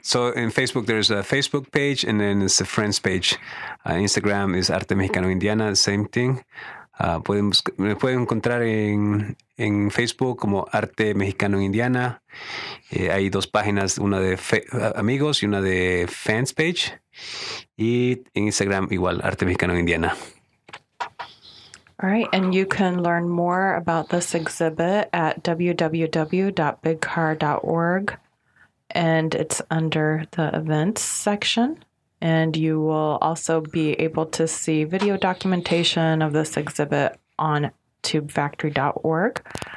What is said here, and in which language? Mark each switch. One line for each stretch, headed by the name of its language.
English: So in Facebook, there's a Facebook page, and then it's a friends page. Instagram is Arte Mexicano Indiana. Same thing.
Spanish: Me pueden encontrar en Facebook como Arte Mexicano Indiana. Hay dos páginas, una de amigos y una de fans page. Y en Instagram, igual, Arte Mexicano Indiana.
English: All right, and you can learn more about this exhibit at www.bigcar.org, and it's under the events section, and you will also be able to see video documentation of this exhibit on tubefactory.org.